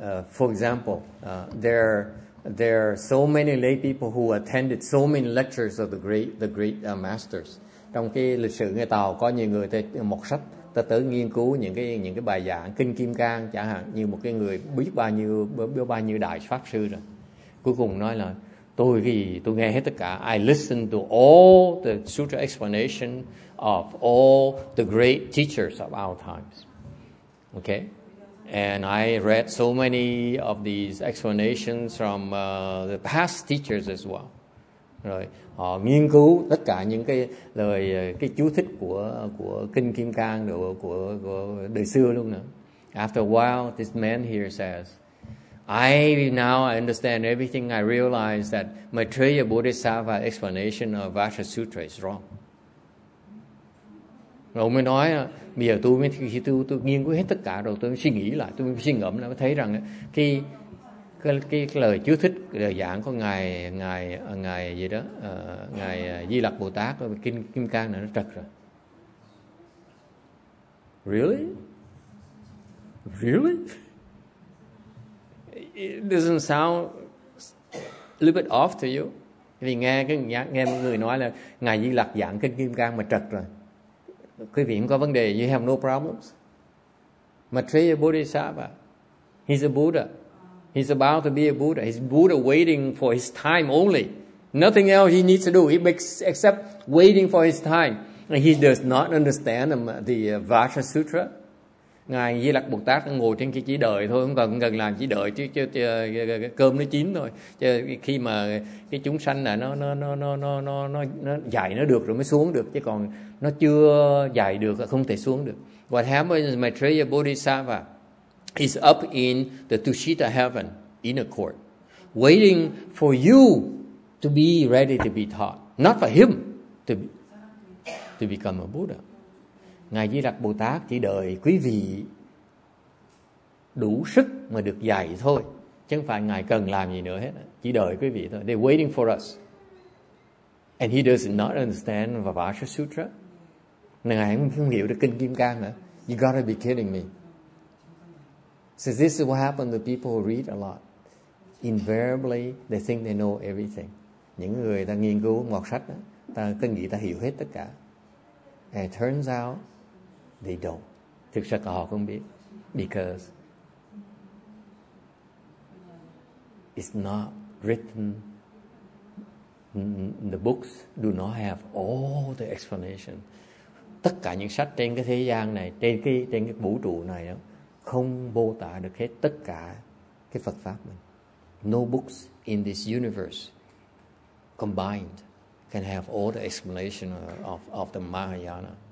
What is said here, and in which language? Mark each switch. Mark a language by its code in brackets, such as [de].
[en] For example, there are so many lay people who attended so many lectures of the great masters. [vi] Trong cái lịch sử người Tàu có nhiều người mọc sách, ta tới nghiên cứu những cái bài giảng Kinh Kim Cang chẳng hạn, như một cái người biết bao nhiêu đại pháp sư rồi. Cuối cùng nói là, Tôi nghe hết tất cả. [en] I listen to all the sutra explanation of all the great teachers of our times. Okay? And I read so many of these explanations from the past teachers as well. [vi] Rồi họ nghiên cứu tất cả những cái lời cái chú thích của kinh Kim Cang rồi của đời xưa luôn nữa. [en] After a while, this man here says, I now understand everything. I realize that Maitreya Bodhisattva explanation of Vajra Sutra is wrong. [vi] Rồi mới nói bây giờ tôi mới khi tôi nghiên cứu hết tất cả rồi tôi mới suy nghĩ lại, tôi mới suy ngẫm lại mới thấy rằng cái lời chú thích lời giảng của ngài gì đó ngài Di Lặc Bồ Tát ở kinh Kim Cang này nó trật rồi. [en] Really? It doesn't sound a little bit off to you. [vi] Vì nghe một người nói là ngài Di Lặc giảng kinh Kim Cang mà trật rồi. Quý vị không có vấn đề, [en] you have no problems. Maitreya Bodhisattva, he's a Buddha. He's about to be a Buddha. He's Buddha waiting for his time only. Nothing else he needs to do. He makes except waiting for his time. And he does not understand the Vajra Sutra. [vi] Ngài Di Lặc Bồ Tát ngồi trên cái chỉ đợi thôi, không cần làm chỉ đợi chứ cơm nó chín thôi. Chứ khi mà cái chúng sanh là nó dạy nó được rồi mới xuống được, chứ còn nó chưa dạy được là không thể xuống được. [en] What happened is Maitreya Bodhisattva is up in the Tushita heaven in a court waiting for you to be ready to be taught, not for him to become a Buddha. [vi] Ngài Di Lặc Bồ Tát chỉ đợi quý vị đủ sức mà được dạy thôi, chứ không phải ngài cần làm gì nữa hết, chỉ đợi quý vị thôi. [en] They're waiting for us. And he does not understand Vajra Sutra. [vi] Ngài không hiểu được kinh Kim Cang nữa. [en] You gotta be kidding me. So this is what happened to people who read a lot. Invariably, they think they know everything. [vi] Những người ta nghiên cứu một sách đó, ta cứ nghĩ ta hiểu hết tất cả. [en] And it turns out they don't. [vi] Thực sự họ không biết. [en] Because it's not written. The books do not have all the explanation. [vi] Tất cả những sách trên cái thế gian này, trên cái vũ trụ này đó, không mô tả được hết tất cả cái Phật Pháp mình. [en] No books in this universe combined can have all the explanation of the Mahayana.